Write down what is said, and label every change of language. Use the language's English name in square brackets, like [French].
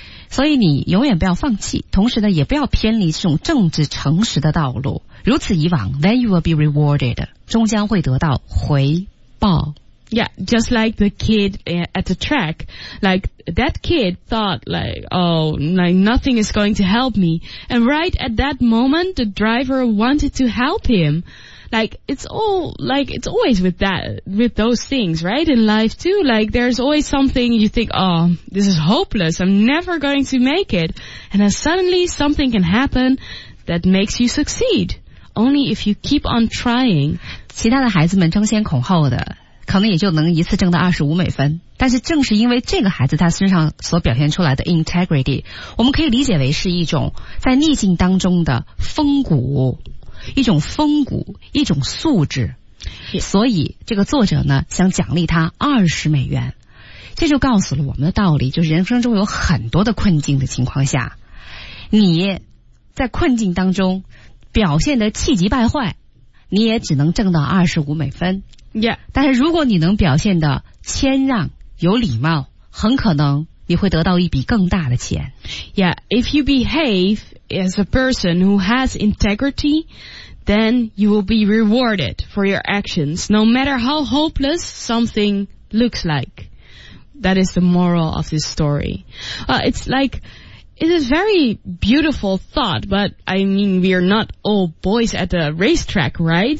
[Chinese] 所以你永远不要放弃，同时呢，也不要偏离这种正直诚实的道路。如此以往 ， [English] then you will be rewarded， [Chinese] 终将会得到回报。 [English] Yeah, just like the kid at the track. Like, that kid thought like, oh, like nothing is going to help me. And right at that moment, the driver wanted to help him. Like, it's all, like, it's always with that, with those things, right? In life too. Like, there's always something you think, oh, this is hopeless. I'm never going to make it. And then suddenly something can happen that makes you succeed. Only if you keep on trying. [Chinese] 其他的孩子们争先恐后的。可能也就能一次挣到25美分，但是正是因为这个孩子他身上所表现出来的 integrity， 我们可以理解为是一种在逆境当中的风骨，一种风骨，一种素质。所以这个作者呢想奖励他20美元，这就告诉了我们的道理，就是人生中有很多的困境的情况下，你在困境当中表现得气急败坏，你也只能挣到25美分。 [English] Yeah. [Chinese] 但是如果你能表现得谦让有礼貌，很可能你会得到一笔更大的钱。 [English] Yeah, if you behave as a person who has integrity, then you will be rewarded for your actions, no matter how hopeless something looks like. That is the moral of this story. It's like... It is a very beautiful thought, but I mean, we are not all boys at the racetrack, right?